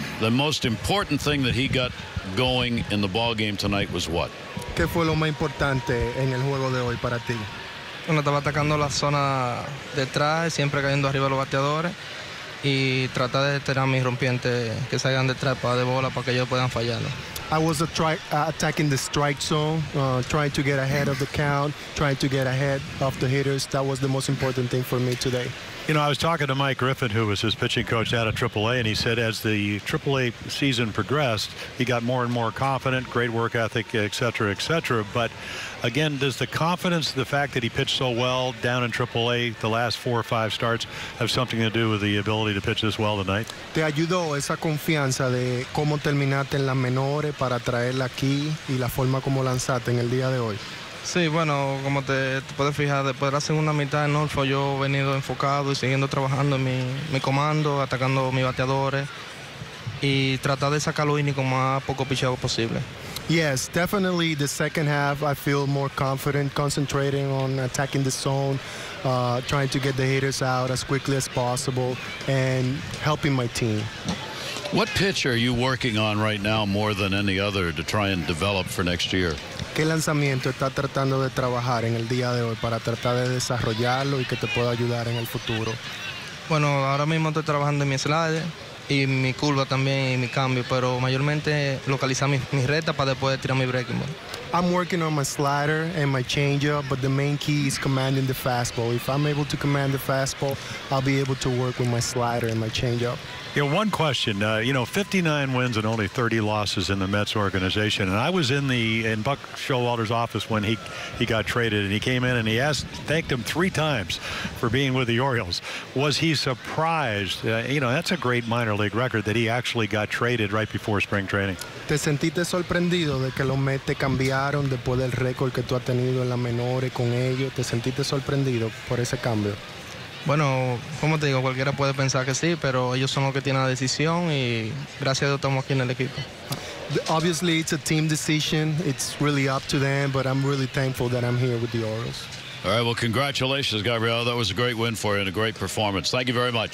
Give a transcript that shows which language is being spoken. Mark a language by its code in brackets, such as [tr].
[en] The most important thing that he got going in the ball game tonight was what? [es] ¿Qué fue lo más importante en el juego de hoy para ti? Bueno, estaba atacando la zona detrás, siempre cayendo arriba los bateadores. Y tratar de tener a mis rompientes que salgan detrás para de bola para que ellos puedan fallarlo. [en] I was attacking the strike zone, trying to get ahead of the count, trying to get ahead of the hitters. That was the most important thing for me today. You know, I was talking to Mike Griffin, who was his pitching coach out of AAA, and he said as the AAA season progressed, he got more and more confident, great work ethic, et cetera, et cetera. But again, does the confidence, the fact that he pitched so well down in AAA the last four or five starts, have something to do with the ability to pitch this well tonight? [es] ¿Te ayudó esa confianza de cómo terminaste en las menores para traerla aquí y la forma como lanzaste en el día de hoy? Sí, bueno, como te puedes fijar, después de la segunda mitad en Norfo, yo he venido enfocado y siguiendo trabajando en mi comando, atacando mis bateadores y tratar de sacar los innings con más poco picheo posible. [en] Yes, definitely the second half I feel more confident, concentrating on attacking the zone, trying to get the hitters out as quickly as possible and helping my team. What pitch are you working on right now more than any other to try and develop for next year? [es] ¿Qué lanzamiento está tratando de trabajar en el día de hoy para tratar de desarrollarlo y que te pueda ayudar en el futuro? Bueno, ahora mismo estoy trabajando en mi slider y mi curva también y mi cambio, pero mayormente localizar mi recta para después de tirar mi breaking ball. [en] I'm working on my slider and my changeup, but the main key is commanding the fastball. If I'm able to command the fastball, I'll be able to work with my slider and my changeup. Yeah, one question. 59 wins and only 30 losses in the Mets organization. And I was in Buck Showalter's office when he got traded, and he came in and he thanked him three times for being with the Orioles. Was he surprised? That's a great minor league record that he actually got traded right before spring training. [es] ¿Te sentiste sorprendido de que los Mets te cambiaron después del récord que tú has tenido en la menores con ellos? ¿Te sentiste sorprendido por ese cambio? Bueno, como te digo, cualquiera puede pensar que sí, pero ellos son los que tienen la decisión y gracias a Dios estamos aquí en el equipo. [en] Obviously, it's a team decision. It's really up to them, but I'm really thankful that I'm here with the Orioles. All right, well, congratulations, Gabriel. That was a great win for you and a great performance. Thank you very much.